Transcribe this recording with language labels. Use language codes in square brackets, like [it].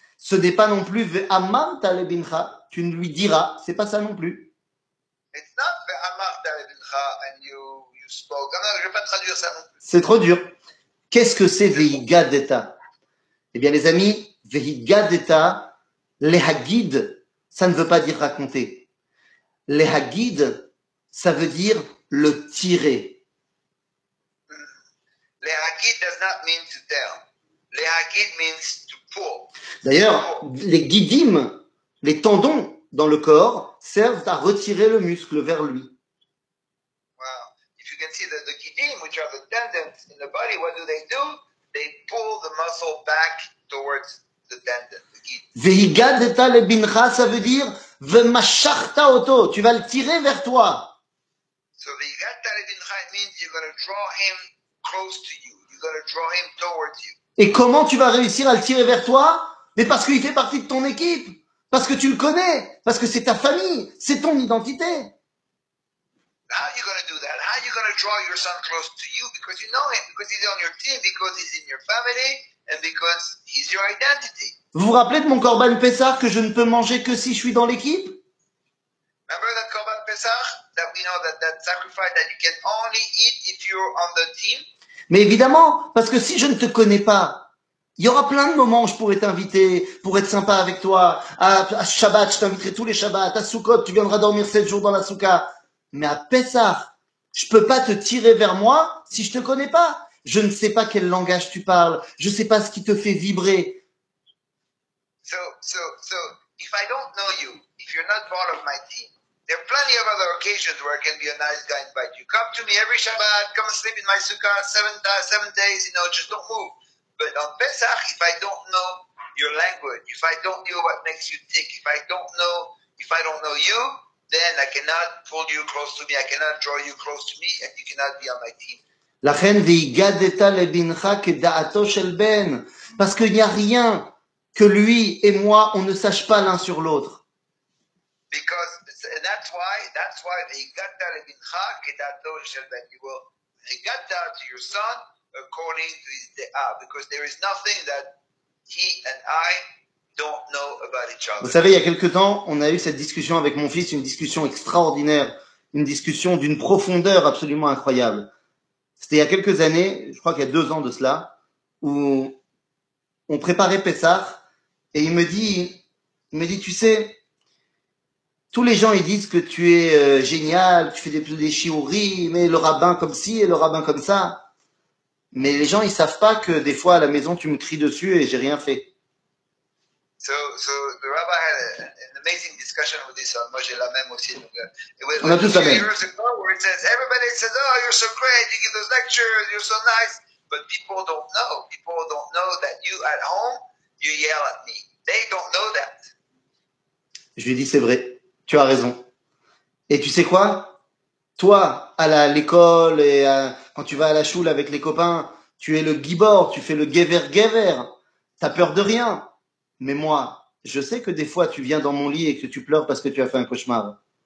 [fr] Ce n'est pas non plus [he] ve'amarta lebincha, [fr] tu ne lui diras, c'est pas ça non plus. [en] It's not [he] ve'amarta lebincha [en] and you spoke. [fr] Non, je vais pas traduire ça non plus. C'est trop dur. Qu'est-ce que c'est ve'higadeta? Eh bien, les amis, ve'higadeta, lehagid, ça ne veut pas dire raconter. Lehagid, ça veut dire le tirer. [en] Lehagid does not mean to tell. Lehagid means to pull. [fr] D'ailleurs, les guidim, les tendons dans le corps, servent à retirer le muscle vers lui. Wow. [en] If you can see that the guidim, which are the tendons in the body, what do? They pull the muscle back towards the tendon. [fr] Vehigadeta lebincha, ça veut dire [he] vemashachta oto, [fr] tu vas le tirer vers toi. [en] So vehigadeta lebincha means you're going to draw him close to you. You're going to draw him towards you. [fr] Et comment tu vas réussir à le tirer vers toi? Mais parce qu'il fait partie de ton équipe, parce que tu le connais, parce que c'est ta famille, c'est ton identité. [en] How are you going to do that? How are you going to draw your son close to you? Because you know him, because he's on your team, because he's in your family, and because he's your identity. [fr] Vous vous rappelez de mon Corban Pessah que je ne peux manger que si je suis dans l'équipe? [en] Remember that Corban Pessah? That we know that sacrifice that you can only eat if you're on the team? [fr] Mais évidemment, parce que si je ne te connais pas, il y aura plein de moments où je pourrais t'inviter, pour être sympa avec toi. À Shabbat, je t'inviterai tous les Shabbats. À Sukkot, tu viendras dormir 7 jours dans la Souka. Mais à Pessah, je peux pas te tirer vers moi si je te connais pas. Je ne sais pas quel langage tu parles. Je sais pas ce qui te fait vibrer. [en] So, if I don't know you, if you're not part of my team, there are plenty of other occasions where I can be a nice guy and invite you. Come to me every Shabbat, come sleep in my Souka 7 days, you know, just don't move. But on Pesach, if I don't know your language, if I don't know what makes you tick, if I don't know you, then I cannot pull you close to me, I cannot draw you close to me, and you cannot be on my team. [he] Lachen v'igadeta lebincha keda'ato shel ben. [fr] Parce qu'il n'y a rien que lui et moi, on ne sache pas l'un sur l'autre. [en] Because that's why [he] v'igadeta lebincha keda'ato shel ben. [en] You will v'igadeta to your son, according to his da, because there is nothing that he and I don't know about each other. [fr] Vous savez, il y a quelque temps, on a eu cette discussion avec mon fils, une discussion extraordinaire, une discussion d'une profondeur absolument incroyable. C'était il y a quelques années, je crois qu'il y a 2 ans de cela, où on préparait Pessah, et il me dit, tu sais, tous les gens, ils disent que tu es génial, tu fais des chiouris, mais le rabbin comme ci et le rabbin comme ça. Mais les gens, ils savent pas que des fois à la maison, tu me cries dessus et j'ai rien fait. [en] So the rabbi had an amazing discussion with his son. [fr] Moi, j'ai la même aussi. On a tous la même. [en] Everybody says, oh, you're so great, you give those lectures, you're so nice. But people don't know. People don't know that you at home, you yell at me. They don't know that. [fr] Je lui ai dit, c'est vrai, tu as raison. Et tu sais quoi? Toi, à l'école, et à, quand tu vas à la choule avec les copains, tu es le gibor, tu fais le guéver-guéver. T'as peur de rien. Mais moi, je sais que des fois, tu viens dans mon lit et que tu pleures parce que tu as fait un cauchemar.